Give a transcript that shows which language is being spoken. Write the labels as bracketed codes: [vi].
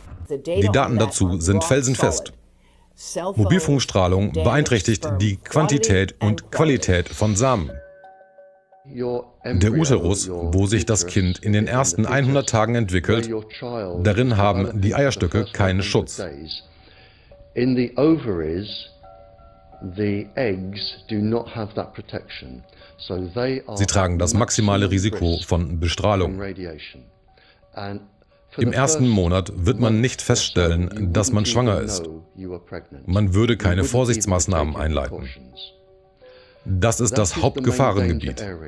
[de] Die Daten dazu sind felsenfest. Mobilfunkstrahlung beeinträchtigt die Quantität und Qualität von Samen. Der Uterus, wo sich das Kind in den ersten 100 Tagen entwickelt, darin haben die Eierstöcke keinen Schutz. [en] In the ovaries, the eggs do not have that protection. [de] Sie tragen das maximale Risiko von Bestrahlung. Im ersten Monat wird man nicht feststellen, dass man schwanger ist. Man würde keine Vorsichtsmaßnahmen einleiten. Das ist das Hauptgefahrengebiet.